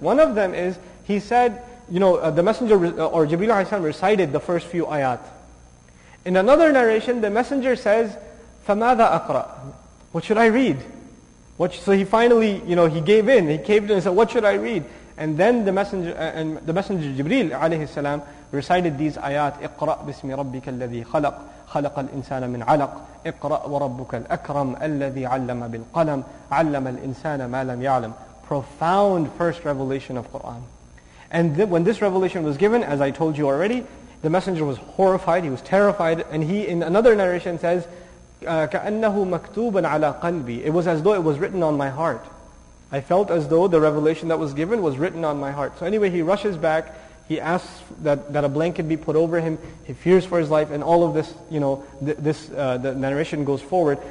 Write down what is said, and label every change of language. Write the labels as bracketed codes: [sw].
[en] One of them is, he said, you know, the Messenger, or Jibreel alayhi salam recited the first few ayat. In another narration, the Messenger says, [ar] فَمَاذَا أَقْرَأْ [en] What should I read? So he finally, you know, he caved in and said, what should I read? And then the Messenger Jibreel alayhi salam recited these ayat, [ar] اقرأ بسم ربك الذي خلق خلق الإنسان من علق اقرأ وربك الأكرم الذي علم بالقلم علم الإنسان ما لم يعلم [en] Profound first revelation of Quran. And when this revelation was given, as I told you already, the Messenger was horrified, he was terrified, and he in another narration says, [ar] كأنه مكتوبا على قلبي [en] It was as though it was written on my heart. I felt as though the revelation that was given was written on my heart. So anyway, he rushes back, he asks that a blanket be put over him, he fears for his life, and all of this, you know, the narration goes forward.